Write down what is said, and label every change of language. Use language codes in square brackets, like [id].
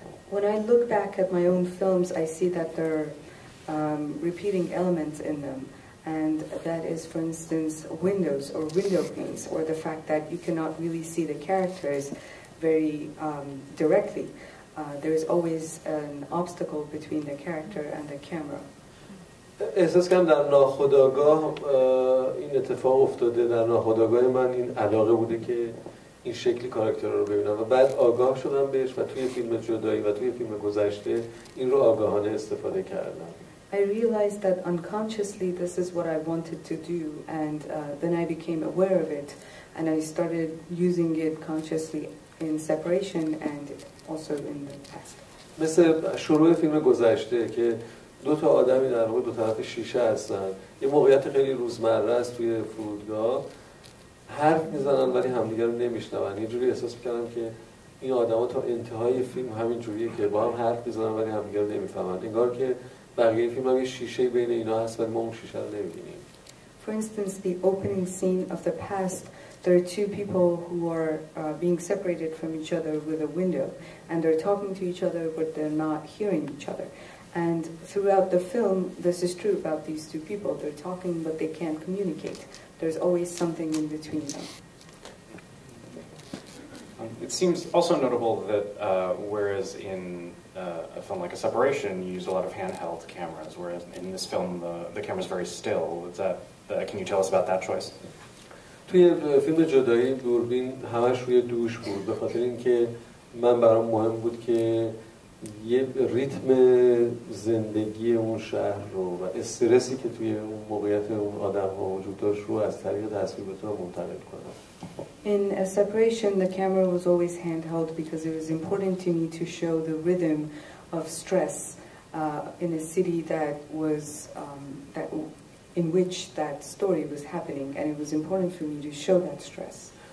[en] When I look back at my own films, I see that there are repeating elements in them. And that is, for instance, windows or window panes, or the fact that you cannot really see the characters very directly. There is always an obstacle between the character and the camera. [fa] احساس کنم در ناخودآگاه این اتفاق افتاده در ناخودآگاه من این علاقه بوده که این شکلی کاراکتر رو ببینم و بعد آگاه شدم بهش و توی فیلم جدایی و توی فیلم گذشته این رو آگاهانه استفاده کردم. [en] I realized that unconsciously this is what I wanted to do and then I became aware of it and I started using it consciously in Separation and also in the past. [fa] مثل شروع فیلم گذشته که دو تا آدمی در واقع دو طرف شیشه هستن، یه موقعیت خیلی روزمره است توی فرودگاه، حرف میزنن ولی همدیگر رو نمیشنون. یه جوری احساس میکردم که این آدم ها تا انتهای فیلم همین جوریه که با هم حرف میزنن ولی همدیگر رو نمیفهمن. انگار که بقیه فیلم هم یه شیشه بین اینا هست ولی ما اون شیشه رو نمیبینیم. [en] For instance, the opening scene of the past, there are two people who are being separated from each other with a window and they're talking to each other but they're not hearing each other. And throughout the film, this is true about these two people. They're talking, but they can't communicate. There's always something in between them. It seems also notable that whereas in a film like A Separation, you use a lot of handheld cameras, whereas in this film, the camera's very still. Is that, can you tell us about that choice? [fa] توی فیلم جدایی دوربین همش روی دوش بود به خاطر اینکه من برام مهم بود که یه ریتم زندگی اون شهر رو و استرسی که توی اون موقعیت اون آدم ها وجود داشت رو از طریق تصویر به تو منتقل کنم. [en] In A Separation, the camera was always handheld because it was important to me to show the rhythm of stress in a city that was in which that story was happening, and it was important for me to show that stress.